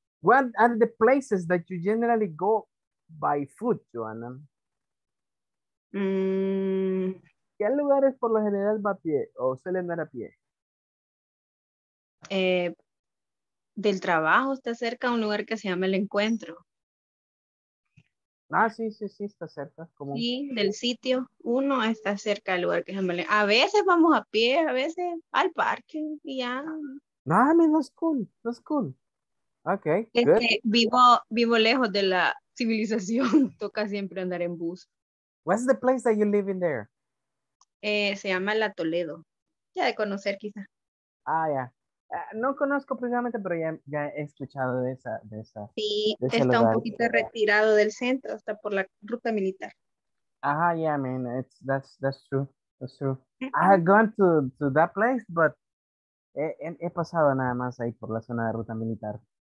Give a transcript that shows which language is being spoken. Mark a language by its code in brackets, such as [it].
[en] What are the places that you generally go by foot, Joanna? [es] ¿Qué lugares por lo general va a pie o suele andar a pie? Del trabajo está cerca un lugar que se llama El Encuentro. Ah, sí, está cerca. ¿Cómo? Sí, del sitio. Uno está cerca del lugar que se llama. A veces vamos a pie, a veces al parque y ya. [en] No, I mean, that's cool. Ok, good. [es] Vivo lejos de la civilización. Toca siempre andar en bus. [en] What's the place that you live in there? [es] Se llama La Toledo. Ya de conocer quizá. Ah, ya. No conozco precisamente, pero ya he escuchado de esa. Sí, está un poquito retirado del centro, está por la ruta militar. [en] Ajá, yeah, I mean, that's true. Mm-hmm. I have gone to that place, but [es] he pasado nada más ahí por la zona de ruta militar.